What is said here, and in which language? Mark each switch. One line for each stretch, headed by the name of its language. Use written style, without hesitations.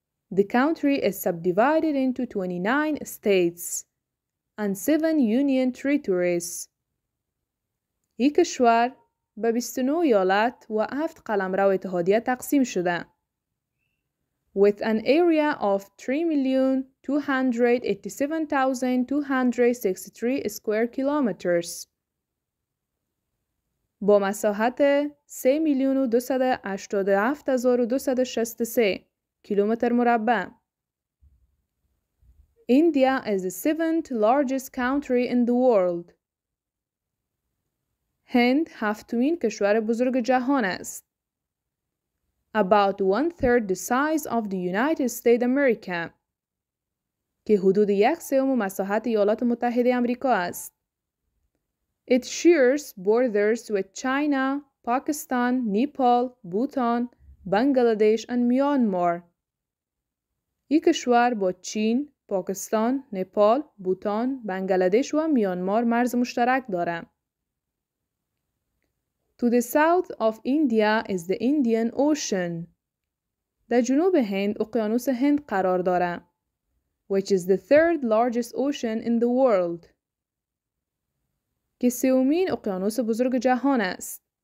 English: The country is subdivided into 29 states and 7 union territories.
Persian: این کشور به 29 ایالت و 7 قلمرو اتحادیه تقسیم شده.
English: With an area of 3,287,263 square kilometers.
Persian: با مساحت 3,287,263 کیلومتر مربع.
English: India is the seventh largest country in the world.
Persian: هند هفتمین کشور بزرگ جهان است.
English: About one-third the size of the United States of America.
Persian: که حدود 1/3 مساحت ایالات متحده امریکا است.
English: It shares borders with China, Pakistan, Nepal, Bhutan, Bangladesh, and Myanmar.
Persian: این کشور با چین، پاکستان، نپال، بوتان، بنگلادش و میانمار مرز مشترک دارد.
English: To the south of India is the Indian Ocean.
Persian: در جنوب هند اقیانوس هند قرار دارد.
English: Which is the third largest ocean in the world.
Persian: که سومین اقیانوس بزرگ جهان است.